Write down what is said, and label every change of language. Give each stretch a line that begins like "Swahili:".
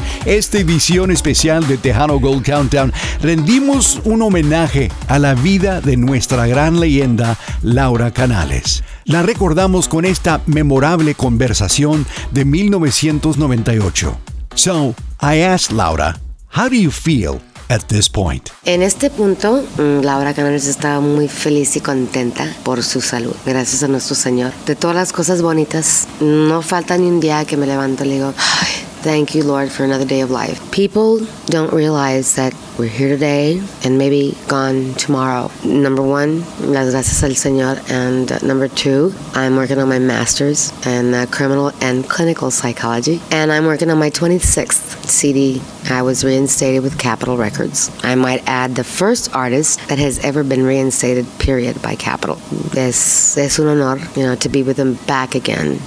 Spanish: Esta edición especial de Tejano Gold Countdown rendimos un homenaje a la vida de nuestra gran leyenda, Laura Canales. La recordamos con esta memorable conversación de 1998.
English: So, I asked Laura, how do you feel at this point?
Spanish: En este punto, Laura Canales estaba muy feliz y contenta por su salud, gracias a nuestro Señor. De todas las cosas bonitas, no falta ni un día que me levanto y le digo, ay,
English: thank you, Lord, for another day of life. People don't realize that we're here today and maybe gone tomorrow. Number one,
Spanish: las gracias al Señor.
English: And number two, I'm working on my master's in criminal and clinical psychology. And I'm working on my 26th CD. I was reinstated with Capitol Records. I might add the first artist that has ever been reinstated, period, by Capitol.
Spanish: Es un honor,
English: you know, to be with them back again.